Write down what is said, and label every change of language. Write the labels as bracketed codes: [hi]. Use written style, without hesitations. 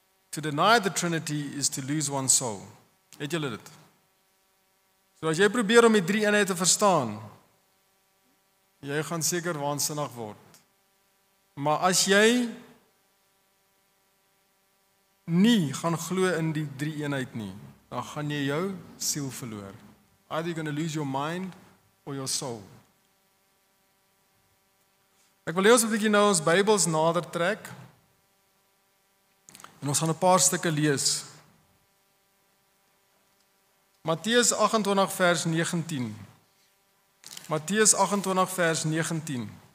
[en] To deny the Trinity is to lose one's soul." [af] Het julle dit? So as jy probeer om die drie eenheid te verstaan, jy gaan seker waansinnig word. Maar as jy nie gaan glo in die drie eenheid nie, dan gaan jy jou siel verloor. [en] Either you're going to lose your mind or your soul. [af] Ek wil hê ons moet 'n bietjie nou ons Bybels nader trek. En ons gaan 'n paar stukke lees. Matteus 28 vers 19. Matteus 28 vers 19.